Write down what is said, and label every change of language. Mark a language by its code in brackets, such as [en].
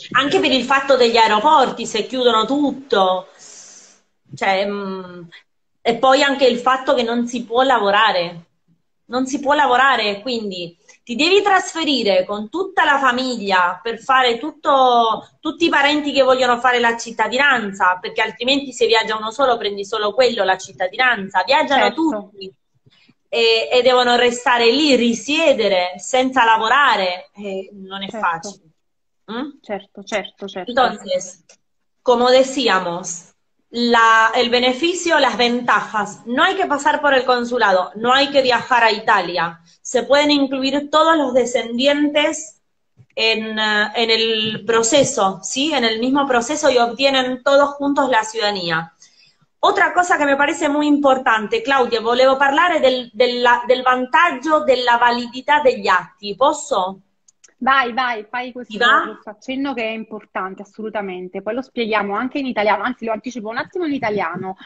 [it] Anche per il fatto degli aeroporti, se chiudono tutto, cioè, e poi anche il fatto che non si può lavorare, non si può lavorare, quindi ti devi trasferire con tutta la famiglia per fare tutti i parenti che vogliono fare la cittadinanza, perché altrimenti se viaggiano solo prendi solo quello, la cittadinanza, viaggiano Certo. tutti. E devono restare lì, risiedere senza lavorare, non è Certo. facile. Certo. [es] Entonces, como decíamos, el beneficio, las ventajas, no hay que pasar por el consulado, no hay que viajar a Italia, se pueden incluir todos los descendientes en el proceso, ¿sí? En el mismo proceso y obtienen todos juntos la ciudadanía. [it] Otra cosa che mi pare molto importante, Claudia, volevo parlare del vantaggio della validità degli atti. Posso? Vai, vai, fai Ti va? questo accenno che è importante, assolutamente. Poi lo spieghiamo anche in italiano, anzi lo anticipo un attimo in italiano.